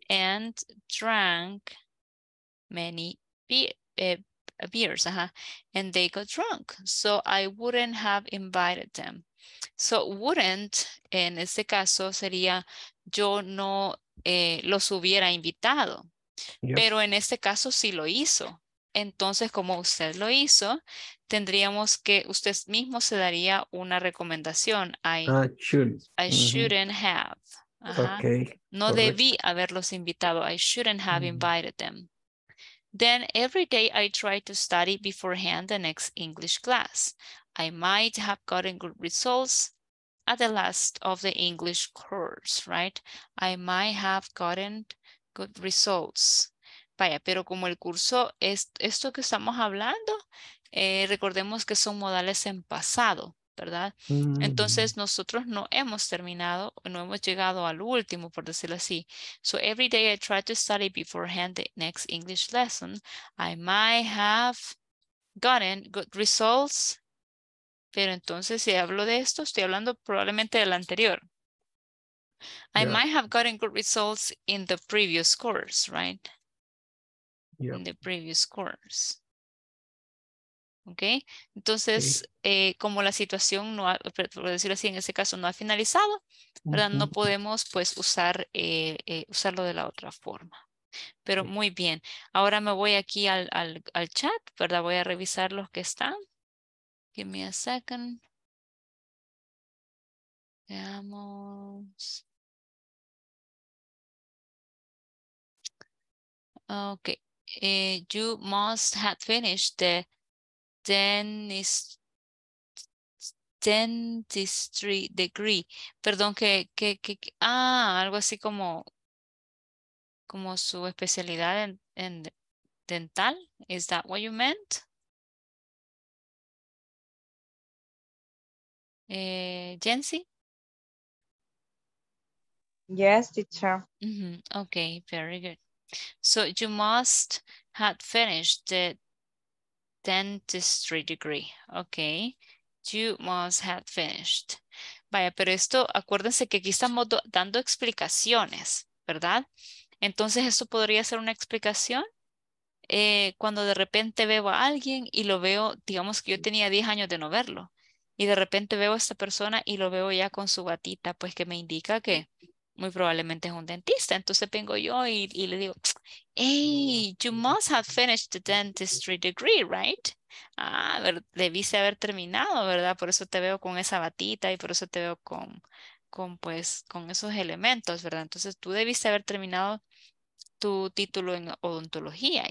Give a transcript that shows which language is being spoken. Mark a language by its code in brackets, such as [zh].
[en] And drank many beers, and they got drunk. So I wouldn't have invited them. So wouldn't, [es] en este caso, sería yo no los hubiera invitado. [en] Yep. [es] Pero en este caso sí lo hizo. Entonces, como usted lo hizo, tendríamos que, usted mismo se daría una recomendación. [en] I shouldn't have. Okay. [es] No debí haberlos invitado. [en] I shouldn't have invited them. Then every day I try to study beforehand the next English class. I might have gotten good results at the last of the English course, right? I might have gotten good results. [es] Vaya, pero como el curso es esto que estamos hablando, recordemos que son modales en pasado, ¿verdad? Entonces nosotros no hemos terminado, no hemos llegado al último, por decirlo así. [en] So every day I try to study beforehand the next English lesson. I might have gotten good results. [es] Pero entonces si hablo de esto, estoy hablando probablemente del anterior. [en] I yeah. might have gotten good results in the previous course, right? Yeah. In the previous course. Okay, [es] entonces, [en] okay. [es] Como la situación no ha, por decirlo así, en ese caso no ha finalizado, ¿verdad? Mm-hmm. No podemos pues usar, usarlo de la otra forma. Pero okay. muy bien, ahora me voy aquí al chat, ¿verdad? Voy a revisar los que están. [en] Give me a second. [es] Veamos. [en] Okay, you must have finished the dentistry degree. [es] Perdón, algo así como su especialidad en dental. [en] Is that what you meant? Jensi? Yes, teacher. Mm-hmm. Okay, very good. So you must have finished the dentistry degree. Okay. You must have finished. [es] Vaya, pero esto, acuérdense que aquí estamos dando explicaciones, ¿verdad? Entonces, ¿esto podría ser una explicación? Cuando de repente veo a alguien y lo veo, digamos que yo tenía 10 años de no verlo, y de repente veo a esta persona y lo veo ya con su batita, pues que me indica que muy probablemente es un dentista. Entonces vengo yo y le digo, [en] hey, you must have finished the dentistry degree, right? [es] Ah, debiste haber terminado, ¿verdad? Por eso te veo con esa batita y por eso te veo con esos elementos, ¿verdad? Entonces tú debiste haber terminado tu título en odontología.